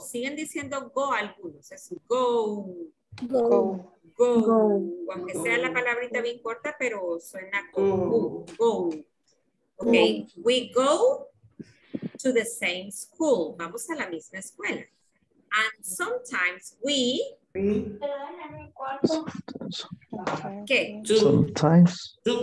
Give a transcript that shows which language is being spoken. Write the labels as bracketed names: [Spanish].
[Spanish] Siguen diciendo go algunos. Es go. [English] Go. [Spanish] Aunque sea la palabrita bien corta, pero suena como go. [English] Okay, we go to the same school. [Spanish] Vamos a la misma escuela. [English] And sometimes we... [Spanish] ¿Qué? [English] Sometimes.